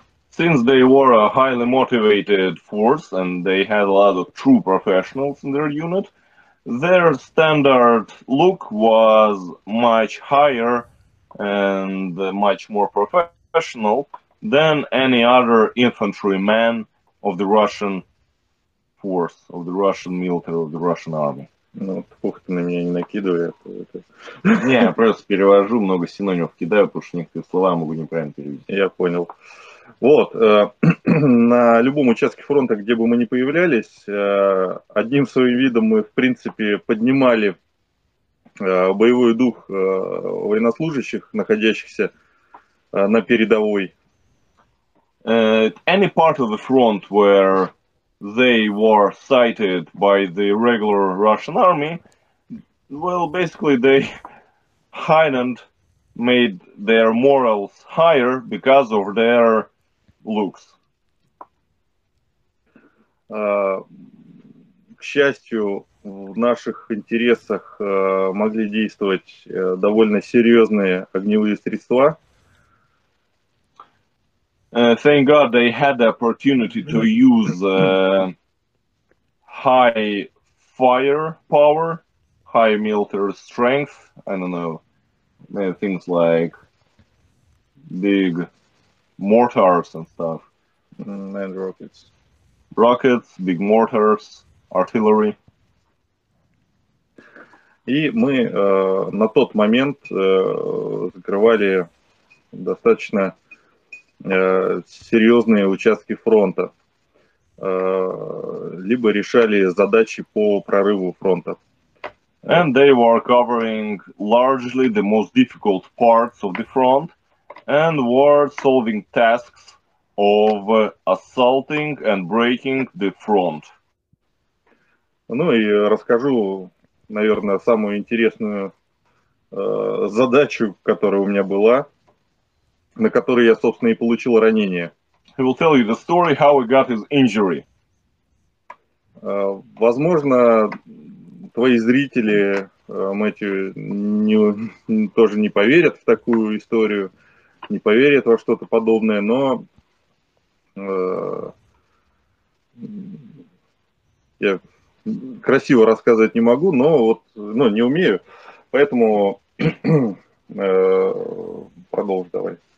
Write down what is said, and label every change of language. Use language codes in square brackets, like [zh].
[en] Since they were a highly motivated force and they had a lot of true professionals in their unit, their standard look was much higher and much more professional than any other infantryman of the Russian force, of the Russian military, of the Russian army. [ru] Ну, пух, ты на меня не накидывай. Не, я просто перевожу, много синонимов кидаю, потому что некоторые слова могу неправильно перевести. Я понял. Вот, на любом участке фронта, где бы мы ни появлялись, одним своим видом мы, в принципе, поднимали боевой дух военнослужащих, находящихся на передовой. [en] Any part of the front where they were sighted by the regular Russian army, well, basically they heightened, made their morals higher because of their looks. [ru] К счастью, в наших интересах могли действовать довольно серьезные огневые средства. [en] Thank God they had the opportunity to use high firepower, high military strength, I don't know, things like big mortars and stuff. And rockets. Rockets, big mortars, artillery. [ru] И мы на тот момент закрывали достаточно... серьезные участки фронта, либо решали задачи по прорыву фронта. [en] And they were covering largely the most difficult parts of the front and were solving tasks of assaulting and breaking the front. [ru] Ну и расскажу, наверное, самую интересную задачу, которая у меня была, на который я, собственно, и получил ранение. [en] He will tell you the story how he got his injury. [ru] Возможно, твои зрители, Мэтью, тоже не поверят в такую историю, не поверят во что-то подобное, но я красиво рассказывать не могу, но вот, ну, не умею, поэтому продолжи давай.